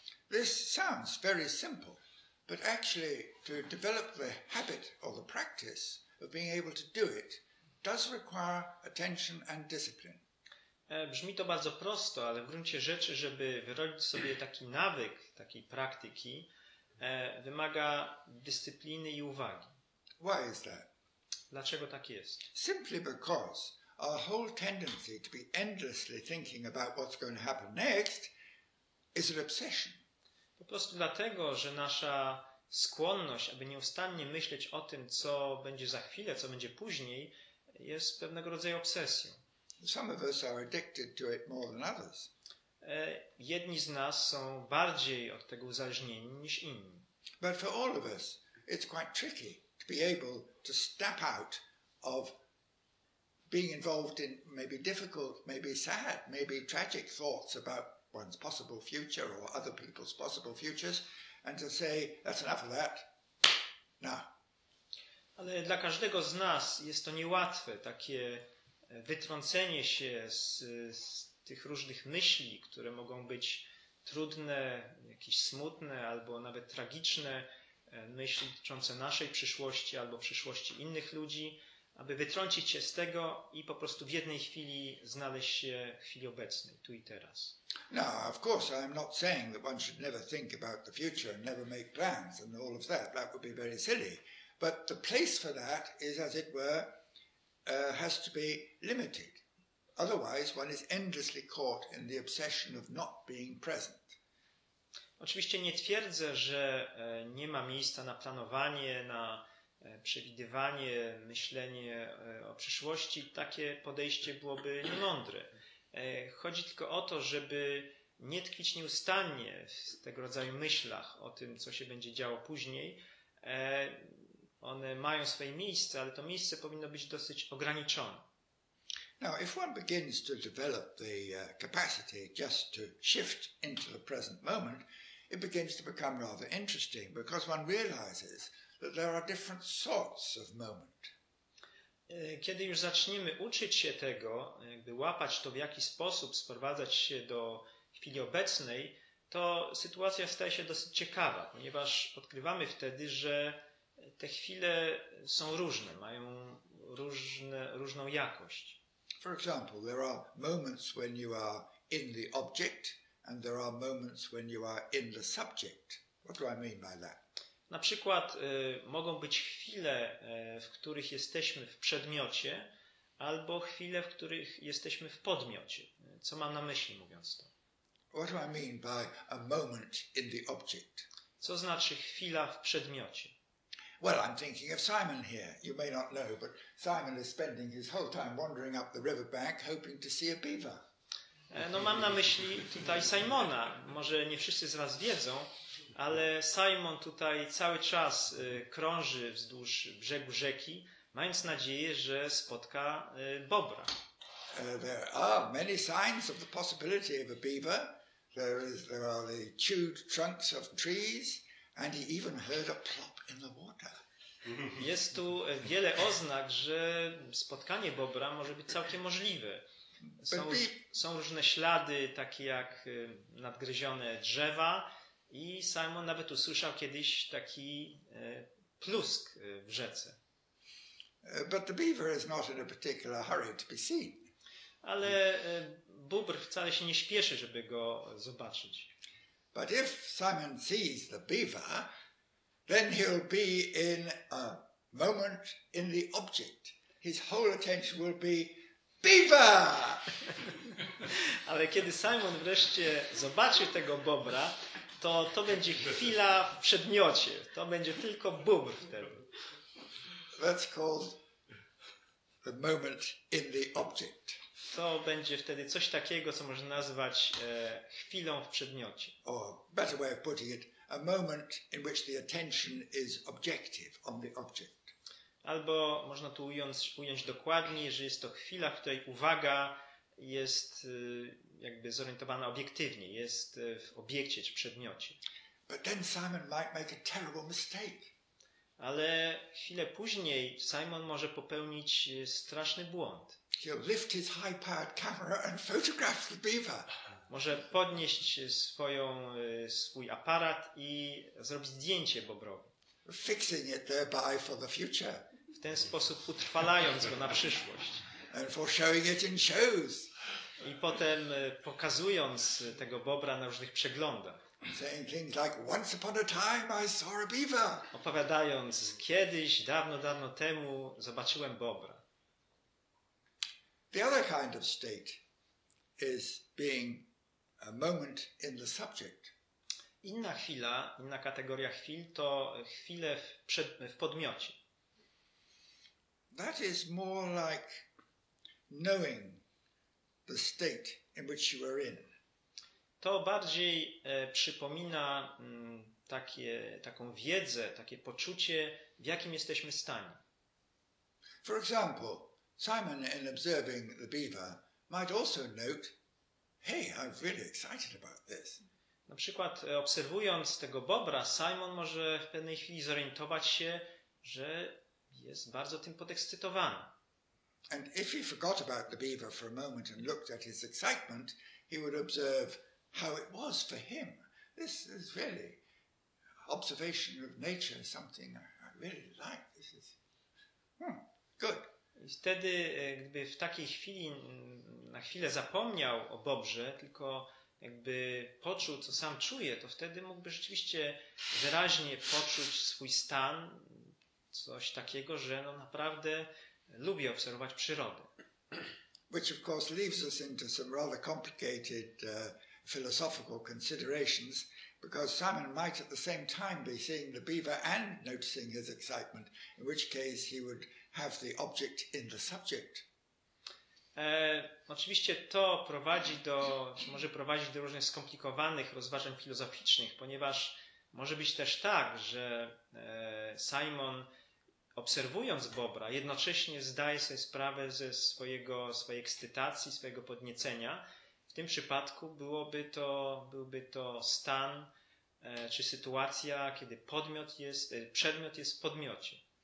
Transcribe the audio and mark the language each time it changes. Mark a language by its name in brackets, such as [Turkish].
[English] This sounds very simple, but actually to develop the habit or the practice of being able to do it does require attention and discipline. [Polish] Brzmi to bardzo prosto, ale w gruncie rzeczy, żeby wyrobić sobie taki nawyk, takiej praktyki, wymaga dyscypliny i uwagi. [English] Why is that? [Polish] Dlaczego tak jest? [English] Simply because our whole tendency to be endlessly thinking about what's going to happen next is an obsession. [Polish] Po prostu dlatego, że nasza skłonność, aby nieustannie myśleć o tym, co będzie za chwilę, co będzie później, jest pewnego rodzaju obsesją. [English] Some of us are addicted to it more than others. [Polish] Jedni z nas są bardziej od tego uzależnieni niż inni. [English] But for all of us, it's quite tricky to be able to step out of being involved in maybe difficult, maybe sad, maybe tragic thoughts about one's possible future or other people's possible futures, and to say, that's enough of that, now. [Polish] Ale dla każdego z nas jest to niełatwe, takie wytrącenie się z tych różnych myśli, które mogą być trudne, jakieś smutne albo nawet tragiczne, myśli dotyczące naszej przyszłości albo przyszłości innych ludzi, aby wytrącić się z tego i po prostu w jednej chwili znaleźć się w chwili obecnej, tu i teraz. [English] No, of course, I'm not saying that one should never think about the future and never make plans and all of that. That would be very silly. But the place for that is, as it were, has to be limited. Otherwise one is endlessly caught in the obsession of not being present. [Polish] Oczywiście nie twierdzę, że nie ma miejsca na planowanie, na przewidywanie, myślenie o przyszłości. Takie podejście byłoby niemądre. Chodzi tylko o to, żeby nie tkwić nieustannie w tego rodzaju myślach o tym, co się będzie działo później. One mają swoje miejsce, ale to miejsce powinno być dosyć ograniczone. [English] Now, if one begins to develop the capacity just to shift into the present moment, it begins to become rather interesting because one realizes that there are different sorts of moment. [Polish] Kiedy już zaczniemy uczyć się tego, jakby łapać to, w jaki sposób sprowadzać się do chwili obecnej, to sytuacja staje się dosyć ciekawa, ponieważ odkrywamy wtedy, że te chwile są różne, mają różną jakość. [English] For example, there are moments when you are in the object and there are moments when you are in the subject. What do I mean by that? [Polish] Na przykład mogą być chwile, w których jesteśmy w przedmiocie, albo chwile, w których jesteśmy w podmiocie. Co mam na myśli, mówiąc to? [English] What do I mean by a moment in the object? [Polish] Co znaczy chwila w przedmiocie? [English] Well, I'm thinking of Simon here. You may not know, but Simon is spending his whole time wandering up the river bank, hoping to see a beaver. [Polish] No, mam na myśli tutaj Simona. Może nie wszyscy z was wiedzą, ale Simon tutaj cały czas krąży wzdłuż brzegu rzeki, mając nadzieję, że spotka bobra. [English] There are many signs of the possibility of a beaver. There are the chewed trunks of trees, and he even heard a plop in the water. [Polish] Jest tu wiele oznak, że spotkanie bobra może być całkiem możliwe. Są różne ślady, takie jak nadgryzione drzewa, i Simon nawet usłyszał kiedyś taki plusk w rzece. [English] But the beaver is not in a particular hurry to be seen. [Polish] Ale bóbr wcale się nie śpieszy, żeby go zobaczyć. [English] But if Simon sees the beaver, then he'll be in a moment in the object. His whole attention will be beaver. [Polish] Ale kiedy Simon wreszcie zobaczy tego bobra, to będzie chwila w przedmiocie. To będzie tylko bóbr wtedy. [English] That's called the moment in the object. [Polish] To będzie wtedy coś takiego, co można nazwać chwilą w przedmiocie. [English] Or better way of putting it, a moment in which the attention is objective on the object. [Polish] Albo można tu ująć dokładniej, że jest to chwila, w której uwaga jest jakby zorientowana obiektywnie, jest w obiekcie czy przedmiocie. [English] But then Simon might make a terrible mistake. [Polish] Ale chwilę później Simon może popełnić straszny błąd. [English] He'll lift his high-powered camera and photograph the beaver. [Polish] Może podnieść swój aparat i zrobić zdjęcie bobrowi. [English] Fixing it thereby for the future. [Polish] W ten sposób utrwalając go na przyszłość. [English] And for showing it in shows. [Polish] I potem pokazując tego bobra na różnych przeglądach. [English] Saying things like, once upon a time I saw a beaver. [Polish] Opowiadając, kiedyś, dawno, dawno temu zobaczyłem bobra. [English] The other kind of state is being a moment in the subject. [Polish] Inna chwila, inna kategoria chwil to chwile w podmiocie. [English] That is more like knowing the state in which you are in. [Polish] To bardziej przypomina taką wiedzę, takie poczucie, w jakim jesteśmy stanie. [English] For example, Simon, in observing the beaver, might also note, hey, I'm really excited about this. [Polish] Na przykład, obserwując tego bobra, Simon może w pewnej chwili zorientować się, że jest bardzo tym podekscytowany. [English] And if he forgot about the beaver for a moment and looked at his excitement, he would observe how it was for him. This is really observation of nature, something I really like. This is good. [Polish] I wtedy, gdyby w takiej chwili na chwilę zapomniał o bobrze, tylko jakby poczuł, co sam czuje, to wtedy mógłby rzeczywiście wyraźnie poczuć swój stan, coś takiego, że no naprawdę lubi obserwować przyrodę. [English] Which of course leaves us into some rather complicated philosophical considerations, because Simon might at the same time be seeing the beaver and noticing his excitement, in which case he would have the object in the subject. [Polish] Oczywiście to może prowadzić do różnych skomplikowanych rozważań filozoficznych, ponieważ może być też tak, że Simon obserwując bobra, jednocześnie zdaje sobie sprawę ze swojej ekscytacji, swojego podniecenia, w tym przypadku byłby to stan czy sytuacja, kiedy przedmiot jest w podmiocie.